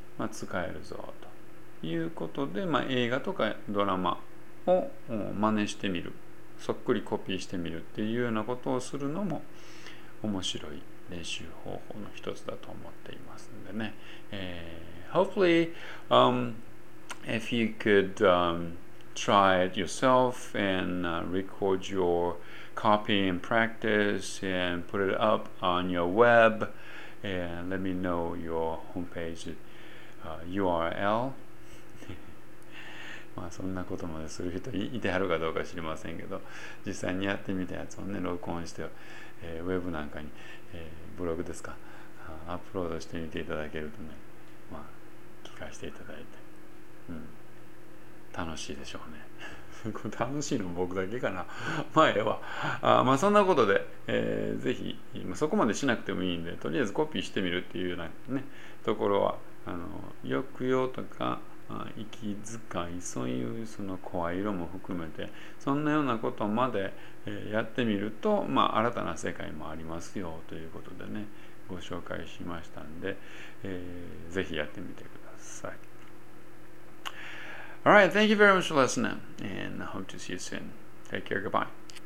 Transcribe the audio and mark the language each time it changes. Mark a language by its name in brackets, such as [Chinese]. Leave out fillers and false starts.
[Japanese] 使えるぞということで、映画とかドラマを真似してみる、そっくりコピーしてみるっていうようなことをするのも面白い練習方法の一つだと思っていますんでね。 [English] Hopefully, if you could try it yourself and record your copy and practice and put it up on your web and let me know your homepage URL. [Japanese] まあそんなことまでする人いてはるかどうか知りませんけど、実際にやってみたやつをね録音してウェブなんかに、ブログですか、アップロードしてみていただけるとね、まあ聞かせていただいて、楽しいでしょうね。楽しいの僕だけかな。まあええわ。まあそんなことで、ぜひ、そこまでしなくてもいいんで、とりあえずコピーしてみるっていうようなね、ところは抑揚とかまあ、息遣い、そういうその声色も含めて、そんなようなことまで、やってみると、まあ、新たな世界もありますよということでね、ご紹介しましたんで、ぜひやってみてください。 [English] Alright, thank you very much for listening, and I hope to see you soon. Take care, goodbye.